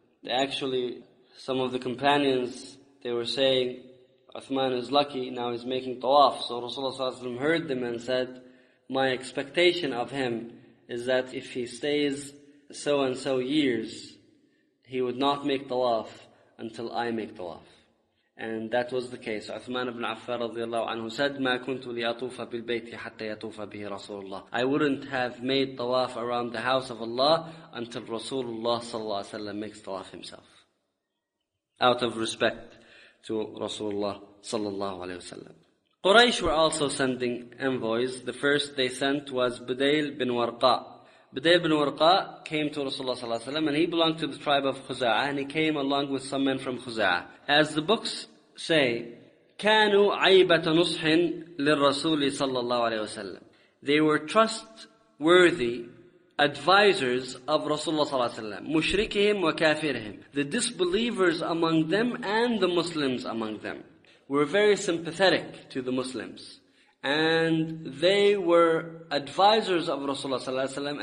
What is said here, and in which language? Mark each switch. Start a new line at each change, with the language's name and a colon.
English: Actually, some of the companions, they were saying, Uthman is lucky, now he's making tawaf. So Rasulullah heard them and said, my expectation of him is that if he stays so and so years, he would not make tawaf until I make tawaf. And that was the case. Uthman ibn Affan radiallahu anhu said,
Arabic: مَا كُنْتُ لِيَطُوفَ بِالْبَيْتِ حَتَّى يَطُوفَ بِهِ رَسُولُ اللَّهِ.
English: I wouldn't have made tawaf around the house of Allah until Rasulullah sallallahu alayhi wa sallam makes tawaf himself. Out of respect to Rasulullah sallallahu alayhi wa sallam. Quraysh were also sending envoys. The first they sent was Budayl bin Warqa. Budayl bin Warqa came to Rasulullah sallallahu alayhi wa sallam, and he belonged to the tribe of Khuza'ah, and he came along with some men from Khuza'ah. As the books say,
Arabic: كانوا عيبة نصح للرسول صلى الله عليه وسلم.
English: They were trustworthy advisors of Rasulullah صلى الله عليه وسلم.
Arabic: مشركهم وكافرهم.
English: The disbelievers among them and the Muslims among them were very sympathetic to the Muslims. And they were advisors of Rasulullah صلى الله عليه وسلم.